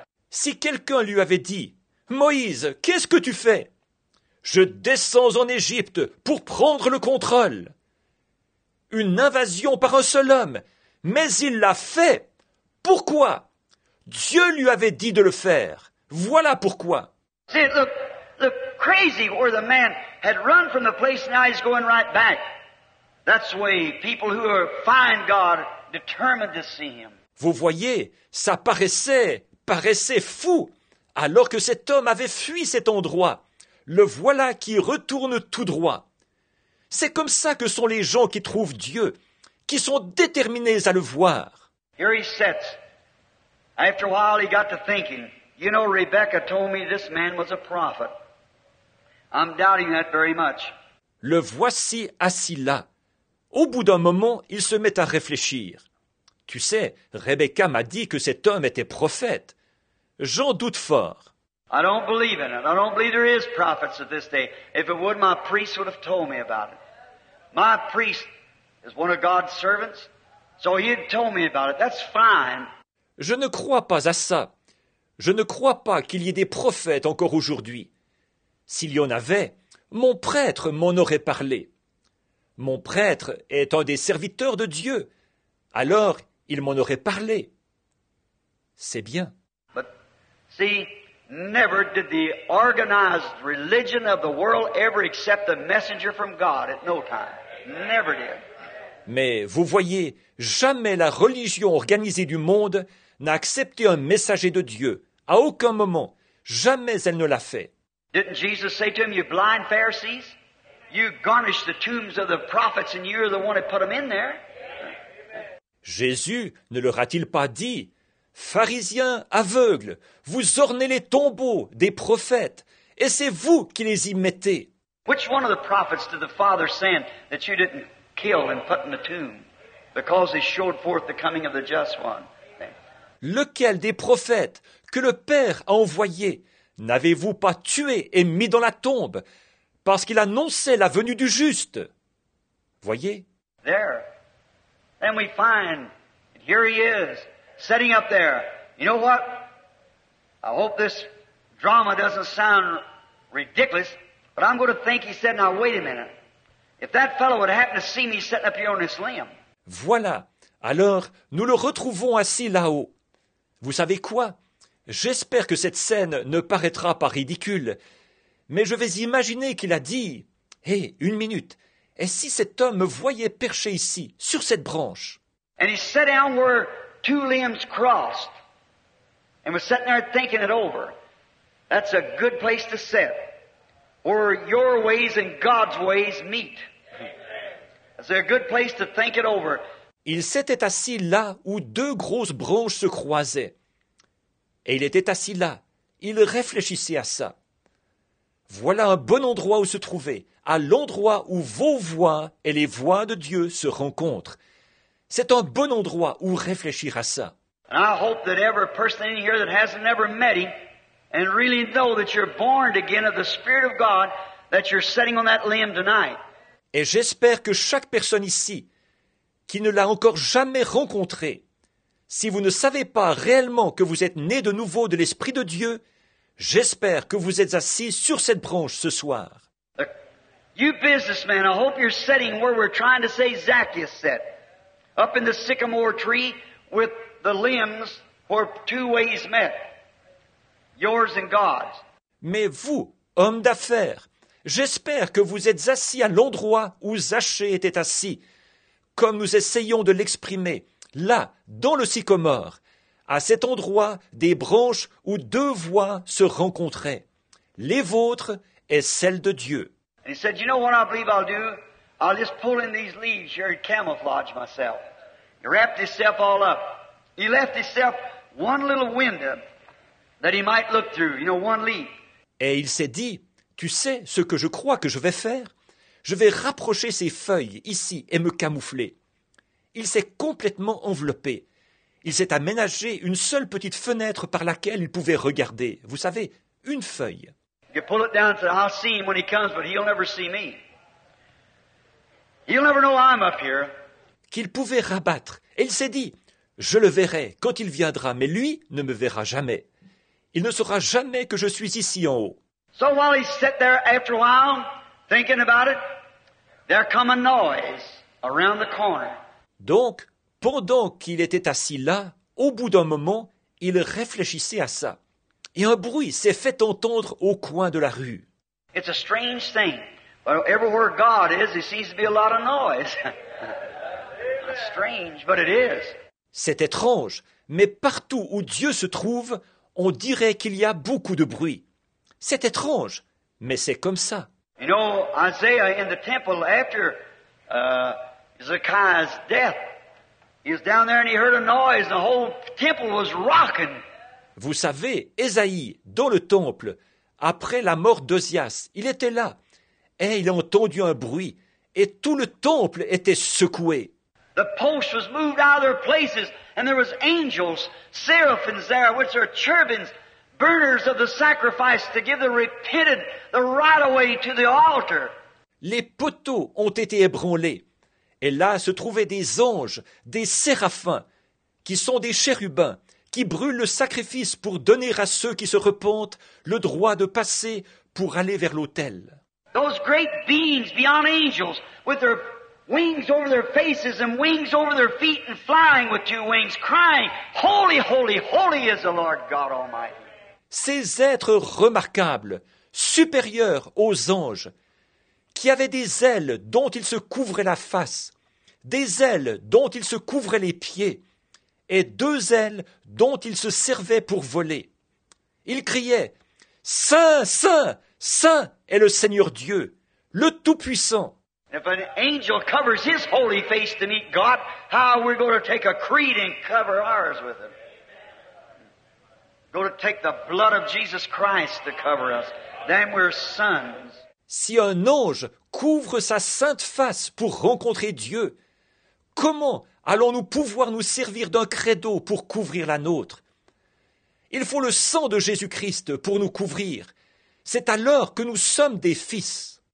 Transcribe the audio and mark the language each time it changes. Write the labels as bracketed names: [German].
[French] Si quelqu'un lui avait dit, Moïse, qu'est-ce que tu fais? Je descends en Égypte pour prendre le contrôle. Une invasion par un seul homme. Mais il l'a fait. Pourquoi? Dieu lui avait dit de le faire. Voilà pourquoi. [English] See, look crazy where the man had run from the place, now he's going right back. That's the way people who are find God determined to see him. [French] Vous voyez, ça paraissait fou, alors que cet homme avait fui cet endroit. Le voilà qui retourne tout droit. C'est comme ça que sont les gens qui trouvent Dieu, qui sont déterminés à le voir. [English] Here he sits. After a while, he got to thinking. You know, Rebecca told me this man was a prophet. I'm doubting that very much. [French] Le voici assis là. Au bout d'un moment, il se met à réfléchir. Tu sais, Rebecca m'a dit que cet homme était prophète. J'en doute fort. [English] I don't believe in it. I don't believe there is prophets at this day. If it would, my priest would have told me about it. My priest is one of God's servants, so he'd told me about it. That's fine. [French] Je ne crois pas à ça. Je ne crois pas qu'il y ait des prophètes encore aujourd'hui. S'il y en avait, mon prêtre m'en aurait parlé. Mon prêtre est un des serviteurs de Dieu. Alors, il m'en aurait parlé. C'est bien. [English] But, see, never did the organized religion of the world ever accept the messenger from God at no time. Never did. [French] Mais vous voyez, jamais la religion organisée du monde n'a accepté un messager de Dieu. À aucun moment. Jamais elle ne l'a fait. [English] Didn't Jesus say to him, you blind Pharisees? You garnish the tombs of the prophets and you're the one that put them in there? [French] Jésus ne leur a-t-il pas dit, pharisiens aveugles, vous ornez les tombeaux des prophètes et c'est vous qui les y mettez? [English] Which one of the prophets did the Father send that you didn't kill and put in the tomb because he showed forth the coming of the just one? [French] Lequel des prophètes que le Père a envoyé n'avez-vous pas tué et mis dans la tombe parce qu'il annonçait la venue du juste? Voyez. [English] There. Then we find, and here he is, sitting up there. You know what? I hope this drama doesn't sound ridiculous, but I'm going to think he said, now wait a minute. If that fellow would happen to see me sitting up here on this limb. [French] Voilà. Alors, nous le retrouvons assis là-haut. Vous savez quoi? J'espère que cette scène ne paraîtra pas ridicule, mais je vais imaginer qu'il a dit, hé, hey, une minute, et si cet homme me voyait perché ici, sur cette branche? [English] And he sat down where two limbs crossed, and was sitting there thinking it over. That's a good place to sit, where your ways and God's ways meet. That's a good place to think it over. [French] Il s'était assis là où deux grosses branches se croisaient. Et il était assis là. Il réfléchissait à ça. Voilà un bon endroit où se trouver, à l'endroit où vos voix et les voix de Dieu se rencontrent. C'est un bon endroit où réfléchir à ça. [English] And I hope that every person in here that hasn't ever met him and really know that you're born again of the Spirit of God, that you're sitting on that limb tonight. [French] Et j'espère que chaque personne ici qui ne l'a encore jamais rencontré. Si vous ne savez pas réellement que vous êtes né de nouveau de l'Esprit de Dieu, j'espère que vous êtes assis sur cette branche ce soir. [English] You businessmen, I hope you're sitting where we're trying to say Zacchaeus sat, up in the sycamore tree with the limbs where two ways met, yours and God's. [French] Mais vous, hommes d'affaires, j'espère que vous êtes assis à l'endroit où Zacchée était assis, comme nous essayons de l'exprimer, là, dans le sycomore, à cet endroit des branches où deux voies se rencontraient, les vôtres et celles de Dieu. [English] He said, you know what I believe I'll do? I'll just pull in these leaves here and camouflage myself. He wrapped himself all up. He left himself one little window that he might look through, you know, one leaf. [French] Et il s'est dit, tu sais ce que je crois que je vais faire? Je vais rapprocher ces feuilles ici et me camoufler. Il s'est complètement enveloppé. Il s'est aménagé une seule petite fenêtre par laquelle il pouvait regarder. Vous savez, une feuille. [English] You pull it down and say, I'll see him when he comes, but he'll never see me. He'll never know I'm up here. [French] Qu'il pouvait rabattre. Et il s'est dit, je le verrai quand il viendra, mais lui ne me verra jamais. Il ne saura jamais que je suis ici en haut. [English] So while he sat there after a while, thinking about it, there come a noise around the corner. [French] Donc, pendant qu'il était assis là, au bout d'un moment, il réfléchissait à ça. Et un bruit s'est fait entendre au coin de la rue. [English] It's a strange thing. But everywhere God is, there seems to be a lot of noise. It's strange, but it is. [French] C'est étrange, mais partout où Dieu se trouve, on dirait qu'il y a beaucoup de bruit. C'est étrange, mais c'est comme ça. [English] You know, Isaiah in the temple after Hezekiah's death, he was down there and he heard a noise and the whole temple was rocking. [French] Vous savez, Ésaïe, dans le temple, après la mort d'Ozias, il était là et il a entendu un bruit et tout le temple était secoué. [English] The post was moved out of their places and there was angels, seraphims there, which are cherubims, burners of the sacrifice to give the repented the right away to the altar. [French] Les poteaux ont été ébranlés et là se trouvaient des anges, des séraphins, qui sont des chérubins, qui brûlent le sacrifice pour donner à ceux qui se repentent le droit de passer pour aller vers l'autel. [English] Those great beings beyond angels with their wings over their faces and wings over their feet and flying with two wings, crying, holy, holy, holy is the Lord God Almighty. [French] Ces êtres remarquables, supérieurs aux anges, qui avaient des ailes dont ils se couvraient la face, des ailes dont ils se couvraient les pieds, et deux ailes dont ils se servaient pour voler. Ils criaient, « Saint, Saint, Saint est le Seigneur Dieu, le Tout-Puissant. » [English] If an angel covers his holy face to meet God, how are we going to take a creed and cover ours with him? Go to take the blood of Jesus Christ to cover us. Then we're sons. [French] Si un ange couvre sa sainte face pour rencontrer Dieu, comment allons-nous pouvoir nous servir d'un credo pour couvrir la nôtre? Il faut le sang de Jésus-Christ pour nous couvrir. C'est alors que nous sommes des fils.